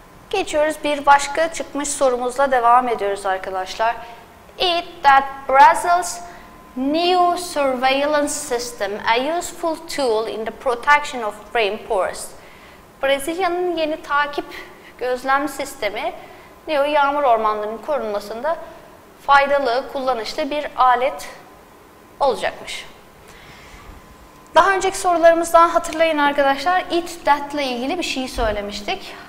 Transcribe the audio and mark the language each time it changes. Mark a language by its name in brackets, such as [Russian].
[Turkish] Geçiyoruz bir başka çıkmış sorumuzla devam ediyoruz arkadaşlar. [English] It that Brazil's new surveillance system, a useful tool in the protection of rainforest. [Turkish] Brezilya'nın yeni takip gözlem sistemi, neo yağmur ormanlarının korunmasında faydalı, kullanışlı bir alet olacakmış. Daha önceki sorularımızdan hatırlayın arkadaşlar, it that ile ilgili bir şey söylemiştik.